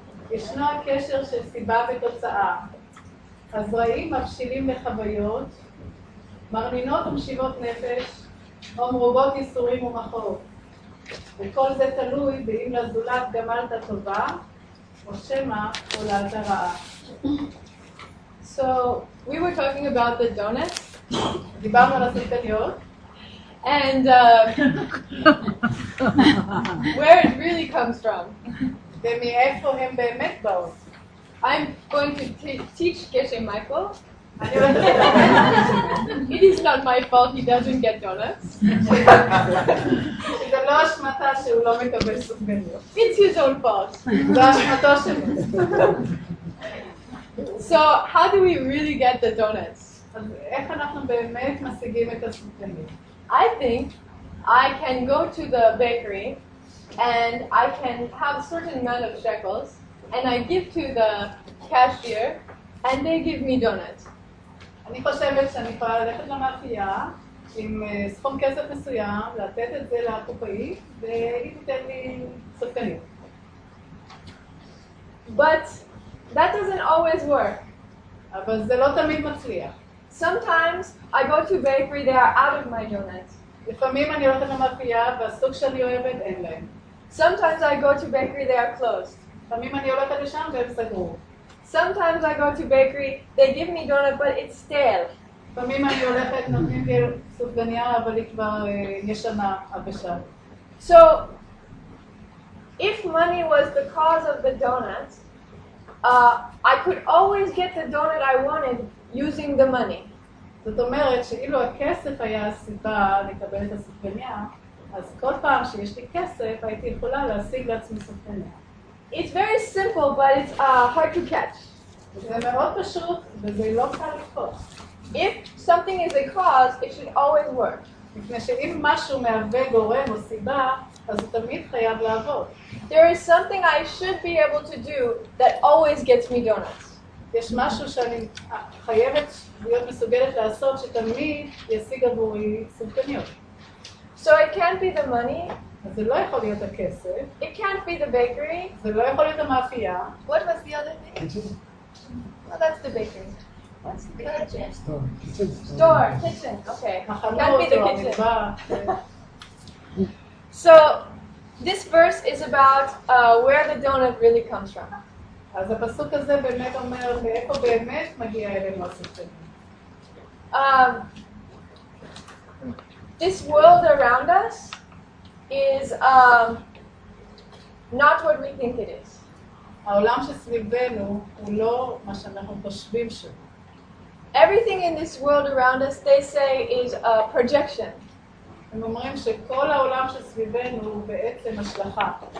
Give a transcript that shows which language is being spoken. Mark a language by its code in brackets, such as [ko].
[he] ישנו הקשר של סיבה ותוצאה. הזרעים מבשילים לחוויות, מרנינות ומשיבות נפש, או מרובות ייסורים ומחות. וכל זה תלוי באם לזולת גמלת טובה, או שמה עולת הרעה. [en] So we were talking about the donuts. [he] דיברנו על הסופגניות. [en] And where it really comes from. [he] ומאיפה הם באמת באו. [en] I'm going to teach Geshe Michael. [he] אני רוצה להגיד. [en] It is not my fault he doesn't get donuts. [he] זה לא אשמתה שהוא לא מקבל סופגניות. [en] It's his own fault. [he] זה אשמתו שלו. [en] So how do we really get the donuts? [he] איך אנחנו באמת משיגים את הסופגניות? [en] I think I can go to the bakery and I can have a certain amount of shekels, and I give to the cashier, and they give me donuts. [he] אני חושבת שאני יכולה ללכת למאפייה עם סכום כסף מסוים, לתת את זה לקופאי, והיא תיתן לי סופקנים. [en] But that doesn't always work. [he] אבל זה לא תמיד מצליח. [en] Sometimes I go to bakery, they are out of my donuts. [he] לפעמים אני הולכת למאפייה והסוג שאני אוהבת אין להם. [en] Sometimes I go to bakery, they are closed. [he] לפעמים אני הולכת לשם והם סגרו. [en] Sometimes I go to bakery, they give me donut, but it's stale. [he] לפעמים אני הולכת, נותנים לי סופגניה, אבל היא כבר ישנה, אבשה. [en] So, if money was the cause of the donut, I could always get the donut I wanted using the money. [he] זאת אומרת שאילו הכסף היה הסיבה לקבל את הסופגניה, אז כל פעם שיש לי כסף, הייתי יכולה להשיג לעצמי סופגניה. [en] It's very simple, but it's hard to catch. [he] זה מאוד פשוט, וזה לא קל לתפוס. [en] If something is a cause, it should always work. [he] מפני שאם משהו מהווה גורם או סיבה, אז הוא תמיד חייב לעבוד. [en] There is something I should be able to do that always gets me donuts. [he] יש משהו שאני חייבת להיות מסוגלת לעשות שתמיד ישיג עבורי סופגניות. [en] So it can't be the money. [he] אז זה לא יכול להיות הכסף. [en] It can't be the bakery. [he] זה לא יכול להיות המאפייה. [en] What was the other thing? Well, that's the bakery. What's the kitchen? Store. Okay. Can't be the kitchen. So, this verse is about where the donut really comes from. [he] אז הפסוק הזה באמת אומר מאיפה באמת מגיע אלינו הסופגניה. [en] This world around us is not what we think it is. [he] העולם שסביבנו הוא לא מה שאנחנו חושבים שהוא. [en] Everything in this world around us, they say, is a projection. [he] הם אומרים שכל העולם שסביבנו הוא בעצם השלכה.